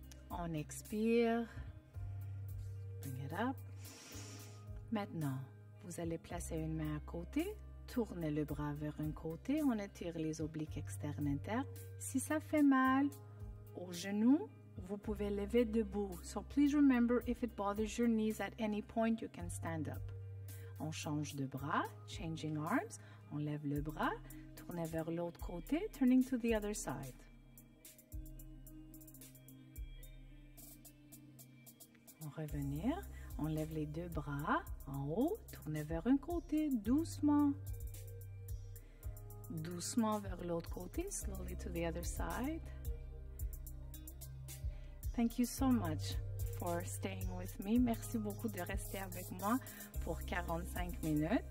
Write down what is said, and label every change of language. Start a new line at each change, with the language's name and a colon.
French: On expire.
English: Bring it up.
French: Maintenant, vous allez placer une main à côté. Tournez le bras vers un côté. On étire les obliques externes et internes. Si ça fait mal au genou, vous pouvez lever debout.
English: So please remember, if it bothers your knees at any point, you can stand up.
French: On change de bras,
English: changing arms.
French: On lève le bras, tournez vers l'autre côté,
English: turning to the other side.
French: On revenir, on lève les deux bras en haut, tournez vers un côté, doucement. Doucement vers l'autre côté,
English: slowly to the other side. Thank you so much for staying with me.
French: Merci beaucoup de rester avec moi pour 45 minutes.